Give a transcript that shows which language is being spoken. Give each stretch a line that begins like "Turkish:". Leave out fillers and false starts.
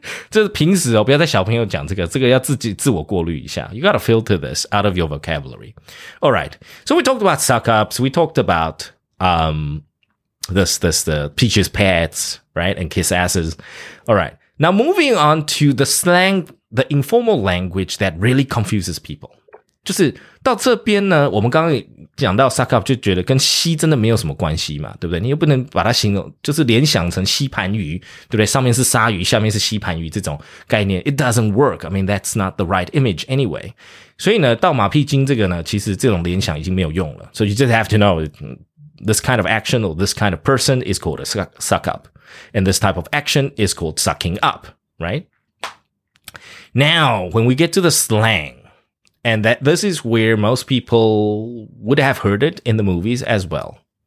Chinese: 这是平时哦，不要在小朋友讲这个，这个要自我过滤一下。
English: You gotta filter this out of your vocabulary. All right. So we talked about suck ups. We talked about this the peaches pets, right? And kiss asses. All right. Now moving on to the slang, the informal language that really confuses people.
Chinese: 就是到这边呢，我们刚刚讲到 suck up 就觉得跟吸真的没有什么关系嘛，对不对？你又不能把它形容，就是联想成吸盘鱼，对不对？上面是鲨鱼，下面是吸盘鱼这种概念。
English: It doesn't work. I mean, that's not the right image anyway.
Chinese: 所以呢，到马屁精这个呢，其实这种联想已经没有用了。
English: So you just have to know this kind of action or this kind of person is called a suck up. And this type of action is called sucking up, right? Now, when we get to the slang,And that this is where most people would have heard it in the movies as well.